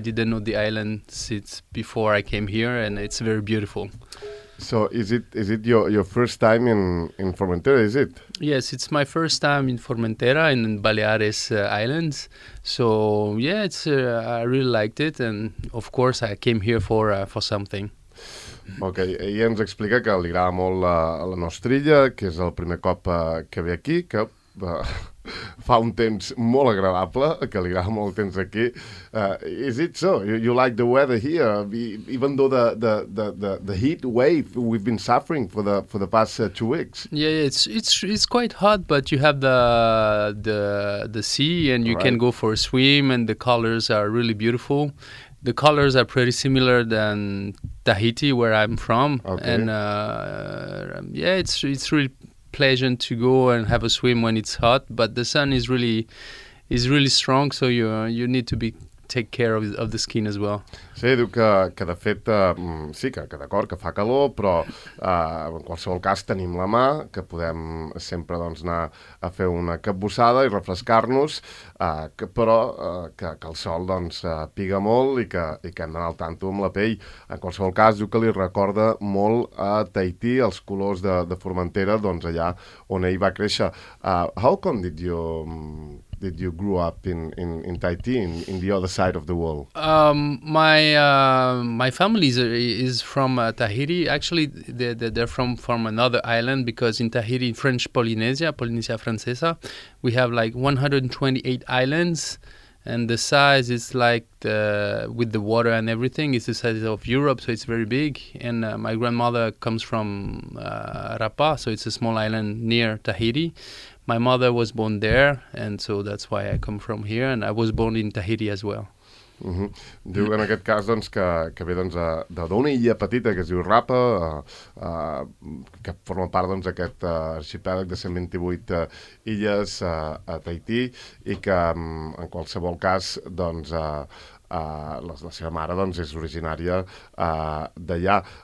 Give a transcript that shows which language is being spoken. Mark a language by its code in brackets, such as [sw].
[en] I didn't know the island since before I came here, and it's very beautiful. So is it your first time in Formentera, is it? Yes, it's my first time in Formentera and in Baleares Islands. So yeah, I really liked it, and of course I came here for something. [ca] Ok, ell ens explica que li agrada molt la nostra illa, que és el primer cop que ve aquí, que fa un temps molt agradable, que li agrada molt el temps aquí. [en] Is it so? You like the weather here? Even though the heat wave we've been suffering for the past 2 weeks. Yeah, it's quite hot, but you have the sea and you can go for a swim, and the colors are really beautiful. The colors are pretty similar than Tahiti, where I'm from. Okay. And yeah, it's really pleasant to go and have a swim when it's hot, but the sun is really strong, so you need to take care of the skin as well. [ca] Sí, diu que de fet, sí, que d'acord, que fa calor, però en qualsevol cas tenim la mà, que podem sempre doncs, anar a fer una capbussada i refrescar-nos, però que el sol doncs, piga molt i que hem d'anar al tanto amb la pell. En qualsevol cas, diu que li recorda molt a Tahití, els colors de Formentera, doncs allà on ell va créixer. [en] How come did you... Did you grow up in Tahiti, in the other side of the world? My family is from Tahiti. Actually, they're from another island, because in Tahiti, French Polynesia Francesa, we have like 128 islands, and the size is like with the water and everything, it's the size of Europe, so it's very big. And my grandmother comes from Rapa, so it's a small island near Tahiti. My mother was born there, and so that's why I come from here, and I was born in Tahiti as well. Mm-hmm. [ca] Diu en aquest cas doncs, que ve doncs, d'una illa petita que es diu Rapa, que forma part d'aquest doncs, arxipèlag de 128 illes a Tahiti, i que en qualsevol cas doncs, la seva mare doncs, és originària d'allà.